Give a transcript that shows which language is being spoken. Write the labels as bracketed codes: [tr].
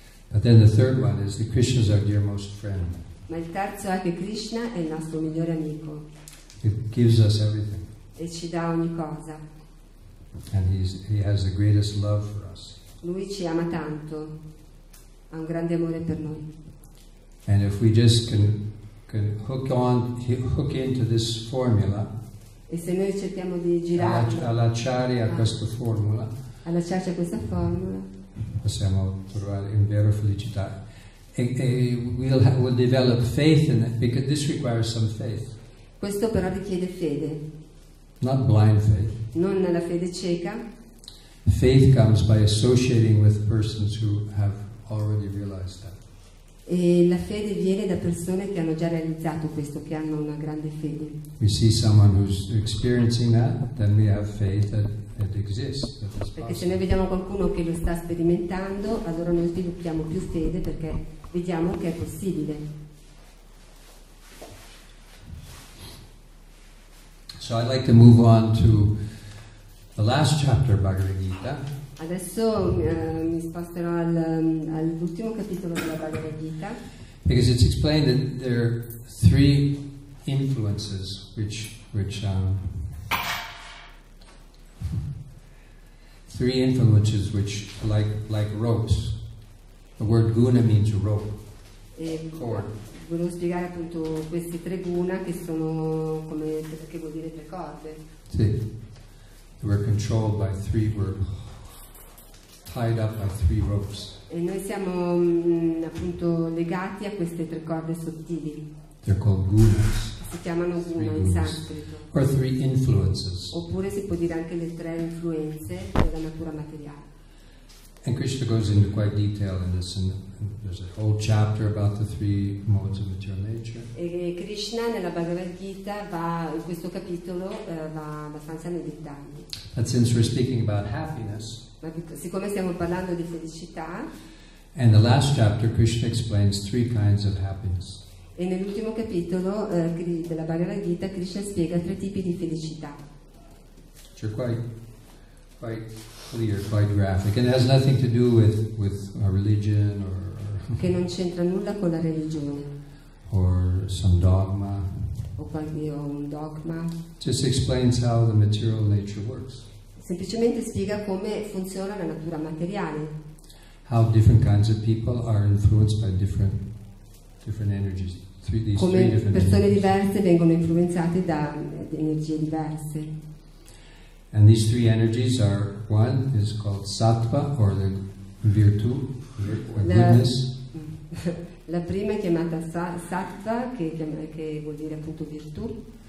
[en] But then the third one is that Krishna is our dearmost friend. [it] Ma il terzo è che Krishna è il nostro migliore amico. [en] He gives us everything. [it] E ci dà ogni cosa. [en] And he has the greatest love for us. [it] Lui ci ama tanto, ha un grande amore per noi. [en] And if we just can hook into this formula, [it] e se noi cerchiamo di girare all'acciare a questa formula, all'acciarci a questa formula, possiamo trovare in vera felicità. [en] E we'll develop faith in it, because this requires some faith. [it] Questo però richiede fede. [en] Not blind faith. [it] Non la fede cieca. [en] Faith comes by associating with persons who have already realized that. [it] E la fede viene da persone che hanno già realizzato questo, che hanno una grande fede. [en] We see someone who's experiencing that, then we have faith that it exists. That it's [it] perché se noi vediamo qualcuno che lo sta sperimentando, allora noi sviluppiamo più fede perché vediamo che è possibile. [en] So I'd like to move on to The last chapter of Bhagavad Gita. [it] Adesso mi sposterò all'ultimo capitolo della Bhagavad Gita. [en] Because it's explained that there are three influences which like ropes. The word guna means rope. Cord. [it] Volevo spiegare appunto questi tre guna che sono come che vuol dire tre corde. [en] Sì. We're controlled by three. We're tied up by three ropes. [it] E noi siamo appunto legati a queste tre corde sottili. [en] They're called gunas. [it] Si chiamano guna in sanscrito. [en] Or three influences. [it] Oppure si può dire anche le tre influenze della natura materiale. [en] And Krishna goes into quite detail in this. There's a whole chapter about the three modes of material nature. [it] E Krishna nella Bhagavad Gita va in questo capitolo va abbastanza nei dettagli. [en] But since we're speaking about happiness. [it] Ma siccome stiamo parlando di felicità. [en] And the last chapter, Krishna explains three kinds of happiness. [it] E nell'ultimo capitolo della Bhagavad Gita Krishna spiega tre tipi di felicità. [en] Cioè quite clear, quite graphic, and it has nothing to do with our religion or [it] che non c'entra nulla con la religione. [en] Or some dogma. [it] O qualche un dogma. [en] Just explains how the material nature works. [it] Semplicemente spiega come funziona la natura materiale. [en] How different kinds of people are influenced by different energies. [it] Come persone diverse vengono influenzate da energie diverse. [en] And these three energies are one is called sattva or the virtù or goodness. [it] La prima è chiamata sattva che vuol dire appunto virtù.